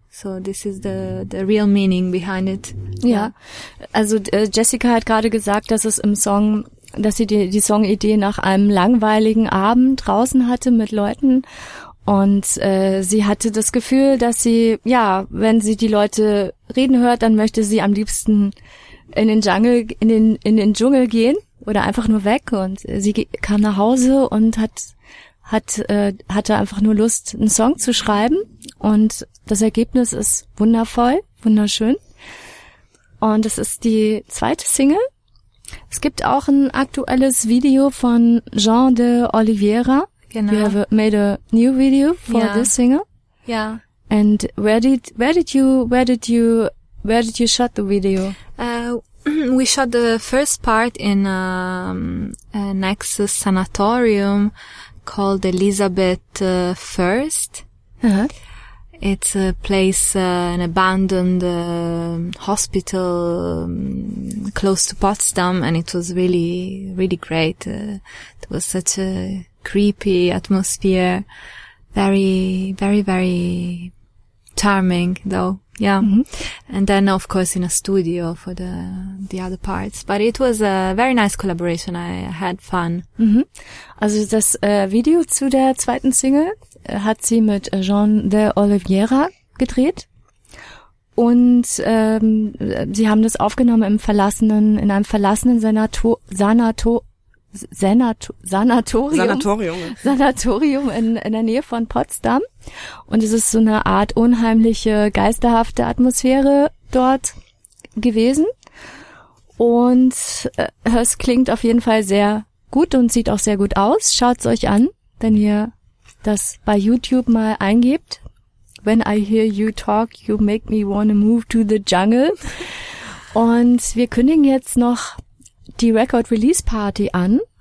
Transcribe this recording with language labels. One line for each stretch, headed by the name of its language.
English: So this is the real meaning behind it.
German: Ja, also Jessica hat gerade gesagt, dass es im Song, dass sie die Songidee nach einem langweiligen Abend draußen hatte mit Leuten, und sie hatte das Gefühl, dass sie, ja, wenn sie die Leute reden hört, dann möchte sie am liebsten in den Dschungel gehen oder einfach nur weg. Und sie kam nach Hause und hatte einfach nur Lust, einen Song zu schreiben. Und das Ergebnis ist wundervoll, wunderschön. Und es ist die zweite Single. Es gibt auch ein aktuelles Video von Jean de Oliveira. Genau.
English: You have made a new video for this single. Yeah. And where did you shot the video? We shot the first part in an ex sanatorium called Elizabeth First. Uh-huh. It's a place, an abandoned hospital close to Potsdam, and it was really, really great. It was such a creepy atmosphere, very, very, very charming, though. Yeah. Mm-hmm. And then, of course, in a studio for the other parts. But it was a very nice collaboration. I had fun. Mm-hmm.
German: Also, das Video zu der zweiten Single hat sie mit Jean de Oliveira gedreht. Und sie haben das aufgenommen in einem verlassenen Sanatorium in der Nähe von Potsdam. Und es ist so eine Art unheimliche, geisterhafte Atmosphäre dort gewesen. Und es klingt auf jeden Fall sehr gut und sieht auch sehr gut aus. Schaut's euch an, wenn ihr das bei YouTube mal eingebt.
English: When I hear you talk, you make me wanna move to the jungle.
German: Und wir kündigen jetzt noch die Record Release Party an.